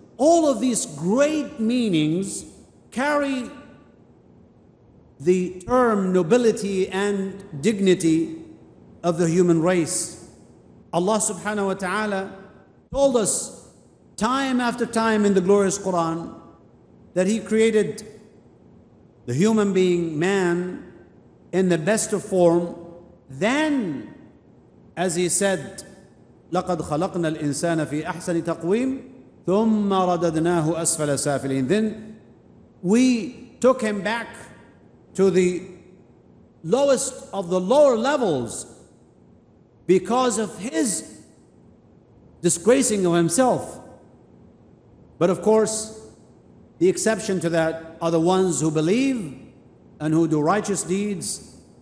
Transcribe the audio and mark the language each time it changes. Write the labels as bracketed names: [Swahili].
[English] All of these great meanings carry the term nobility and dignity of the human race. Allah subhanahu wa ta'ala told us time after time in the glorious Quran that He created the human being, man, in the best of form. Then, as He said, [Arabic] لَقَدْ خَلَقْنَا الْإِنسَانَ فِي أَحْسَنِ تَقْوِيمٍ ثُمَّ رَدَدْنَاهُ أَسْفَلَ سَافِلِينَ. [English] Then we took him back to the lowest of the lower levels because of his disgracing of himself. But of course, the exception to that are the ones who believe and who do righteous deeds.